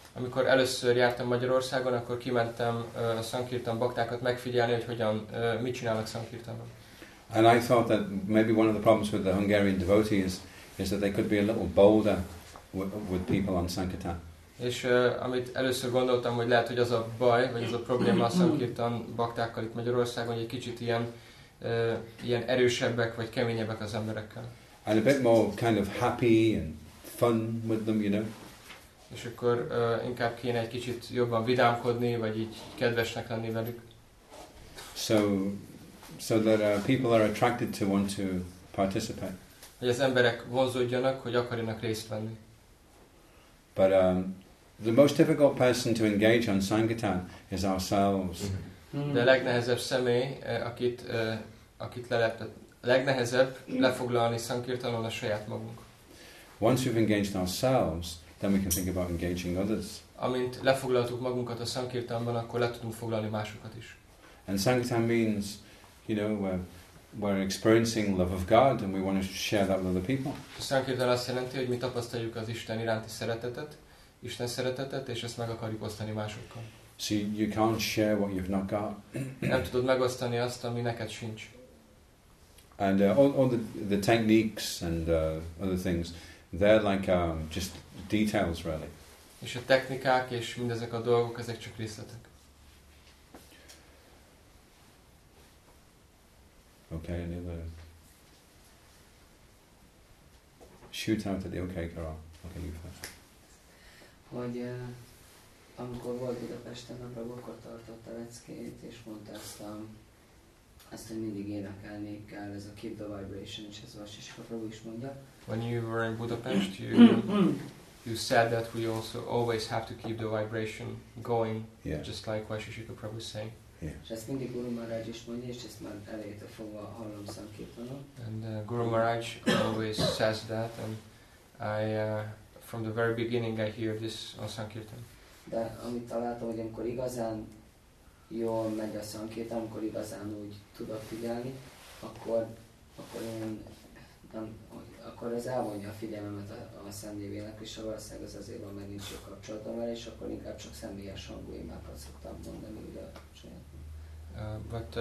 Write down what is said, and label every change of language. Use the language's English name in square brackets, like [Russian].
[Hungarian] Amikor először jártam Magyarországon, akkor kimentem a Sankirtan baktákat megfigyelni, hogy hogyan, mit csinálnak Sankirtanban. [English] And I thought that maybe one of the problems with the Hungarian devotees is that they could be a little bolder with people on Sankirtan. [Hungarian] És amit először gondoltam, hogy lehet, hogy az a baj, vagy az a probléma a Sankirtan baktákkal itt Magyarországon, hogy egy kicsit ilyen erősebbek, vagy keményebbek az emberekkel. [English] And a bit more kind of happy and fun with them, you know. [Hungarian] És akkor inkább kéne egy kicsit jobban vidámkodni, vagy így kedvesnek lenni velük. [English] So that people are attracted to want to participate. [Hungarian] Hogy az emberek vonzódjanak, hogy akarjanak részt venni. [English] But the most difficult person to engage on Sankirtan is ourselves. [Hungarian] De a legnehezebb személy, akit legnehezebb lefoglalni Sankirtanon a saját magunk. [English] Once we've engaged ourselves, then we can think about engaging others. [Hungarian] Amint lefoglaltuk magunkat a Sankirtanban, akkor le tudunk foglalni másokat is. [English] And Sankirtan means, you know, we're experiencing love of God and we want to share that with other people. [Hungarian] Sankirtan azt jelenti, hogy mi tapasztaljuk az Isten iránti szeretetet, Isten szeretetet, és ezt meg akarjuk osztani másokkal. [English] See, you can't share what you've not got. [Hungarian] Nem tudod megosztani azt, ami neked sincs. [English] And all the techniques and other things, they're like just details, really. [Hungarian] És a technikák és mindezek a dolgok, ezek csak részletek. [English] Okay, any other? Shoot out at the okay, Carol. Okay, you first. [Hungarian] Hogy amikor volt Budapesten a blogokat tartott a leckét, és mondta ezt, hogy mindig énekelni kell, ez a [English] Keep the Vibration, [Hungarian] és ez vas, és a Prabhu is mondja. [English] When you were in Budapest, you said that we also always have to keep the vibration going, yeah. Just like Vasishika Prabhu is saying. Yeah. [Hungarian] És ezt mindig Guru Maharaj is mondja, és ezt már elejétől fogva hallom Sankirtanon. [English] And Guru Maharaj always says that, and I, from the very beginning I hear this on Sankirtan. [Hungarian] De amit találtam, hogy amikor igazán jól megy a Sankirtan, amikor igazán úgy tudok figyelni, akkor ez elvonja a figyelmemet a szemlévének, és valószínűleg az azért van megint jó kapcsolatom vele, és akkor inkább csak személyes hangulimákat szoktam mondani, ugye a csinálatban.